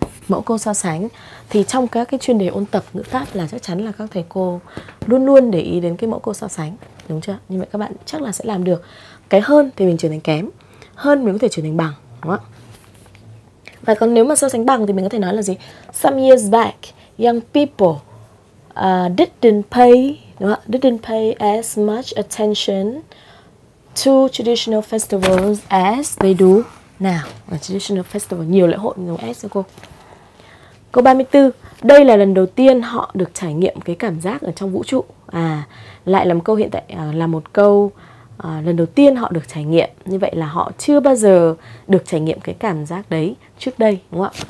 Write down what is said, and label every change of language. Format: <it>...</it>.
<vi>Mẫu câu so sánh thì trong các cái chuyên đề ôn tập ngữ pháp là chắc chắn là các thầy cô luôn luôn để ý đến cái mẫu câu so sánh, đúng chưa? Như vậy các bạn chắc là sẽ làm được. Cái hơn thì mình chuyển thành kém, hơn mình có thể chuyển thành bằng, đúng không? Và còn nếu mà so sánh bằng thì mình có thể nói là gì?</vi> <en>Some years back, young people didn't pay as much attention to traditional festivals as they do now.</en> <vi>Traditional festival, nhiều lễ hội, nhiều as cho cô. Câu 34, đây là lần đầu tiên họ được trải nghiệm cái cảm giác ở trong vũ trụ. À, lại là một câu hiện tại, là một câu lần đầu tiên họ được trải nghiệm. Như vậy là họ chưa bao giờ được trải nghiệm cái cảm giác đấy trước đây, đúng không ạ?</vi>